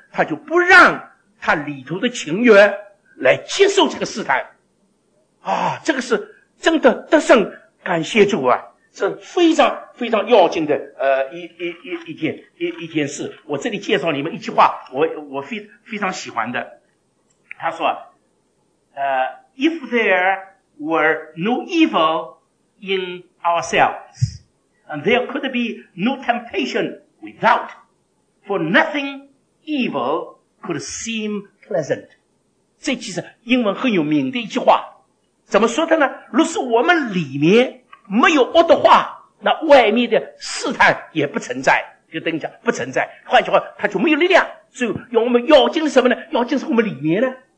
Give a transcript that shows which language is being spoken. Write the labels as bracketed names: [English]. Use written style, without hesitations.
[Chinese] 他就不让他里头的情缘来接受这个试探。这个是真的得胜，感谢主啊，是非常非常要紧的一件事。我这里介绍你们一句话，我非常喜欢的。他说, [English] if there were no evil in ourselves, and there could be no temptation without, for nothing evil could seem pleasant. [Chinese] 这其实英文很有名的一句话。怎么说的呢？若是我们里面没有恶的话，那外面的试探也不存在。就等一下，不存在。换句话，它就没有力量。所以我们要紧的什么呢？要紧是我们里面呢。